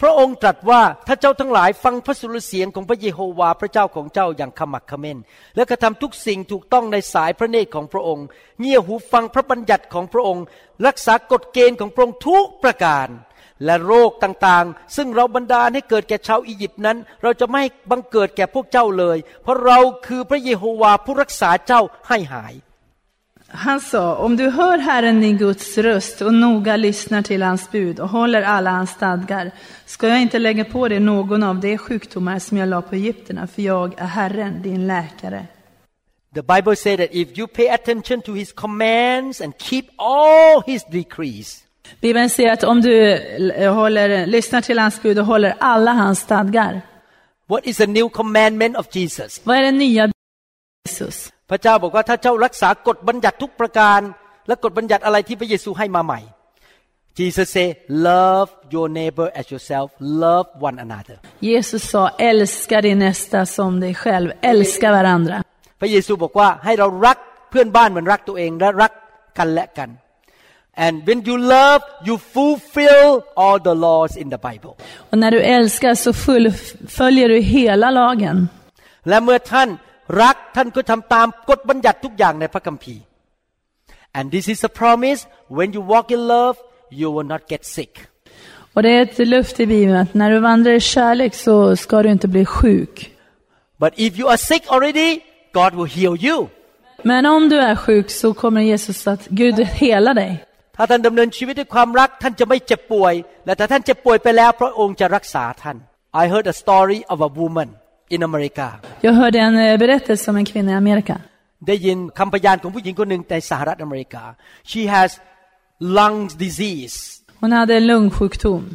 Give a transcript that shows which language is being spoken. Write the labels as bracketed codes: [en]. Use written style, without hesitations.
[th] พระองค์ตรัสว่าถ้าเจ้าทั้งหลายฟังพระสุรเสียงของพระเยโฮวาห์พระเจ้าของเจ้าอย่างขมักเขม้นและกระทำทุกสิ่งถูกต้องในสายพระเนตรของพระองค์เงี่ยหูฟังพระบัญญัติของพระองค์รักษากฎเกณฑ์ของพระองค์ทุกประการและโรคต่างๆซึ่งเราบันดาลให้เกิดแก่ชาวอียิปต์นั้นเราจะไม่บังเกิดแก่พวกเจ้าเลยเพราะเราคือพระเยโฮวาห์ผู้รักษาเจ้าให้หาย [sv] Han sa, om du hör Herren din Guds röst och noga lyssnar till hans bud och håller alla hans stadgar, ska jag inte lägga på dig någon av de sjukdomar som jag la på Egypterna, för jag är Herren, din läkare. [en] The Bible says that if you pay attention to his commands and keep all his decrees. [sv] Bibeln säger att om du lyssnar till hans bud och håller alla hans stadgar. [en] What is the new commandment of Jesus? [sv] Vad är den nya budet av Jesus? [th] พระเจ้าบอกว่าถ้าเจ้ารักษากฎบัญญัติทุกประการและกฎบัญญัติอะไรที่พระเยซูให้มาใหม่ [en] Jesus say love your neighbor as yourself love one another [sv] Jesus sa älska din nästa som dig själv älska varandra [th] พระเยซูบอกว่าให้เรารักเพื่อนบ้านเหมือนรักตัวเองและรักกันและกัน [en] And when you love you fulfill all the laws in the Bible [sv] Och när du älskar så följer du hela lagen [th] และเมื่อท่านรักท่านก็ทำตามกฎบัญญัติทุกอย่างในพระคัมภีร์ [en] And this is a promise when you walk in love you will not get sick [sv] Och det är ett löfte i Bibeln att när du vandrar i kärlek så ska du inte bli sjuk [en] But if you are sick already God will heal you [sv] Men om du är sjuk så kommer Jesus att Gud hela dig [th] ถ้าท่านดำเนินชีวิตด้วยความรักท่านจะไม่เจ็บป่วยและถ้าท่านเจ็บป่วยไปแล้วพระองค์จะรักษาท่าน [en] I heard a story of a womanIn America. [sv] Jag hörde en berättelse om en kvinna i Amerika. Det är en kampanjär från en kvinna i Amerika. [en] She has lung disease. [sv] Hon hade en lungsjukdom.